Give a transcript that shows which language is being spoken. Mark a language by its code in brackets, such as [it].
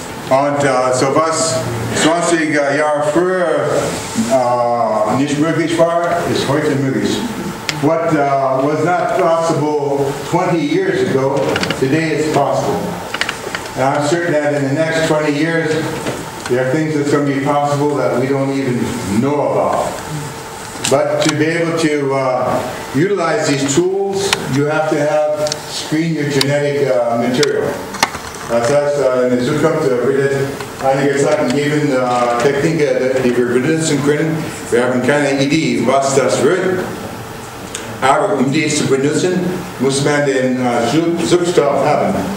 [de] Und so was 20 Jahre früher nicht möglich war, ist heute möglich. [en] What was not possible 20 years ago, today it's possible. And I'm certain that in the next 20 years, there are things that's going to be possible that we don't even know about. But to be able to utilize these tools, you have to have screen your genetic material. [de] Das heißt, in der Zukunft wird es einige Sachen geben, Techniken, die wir benutzen können. Wir haben keine Idee, was das wird, Aber um die zu benutzen, muss man den Substoff haben.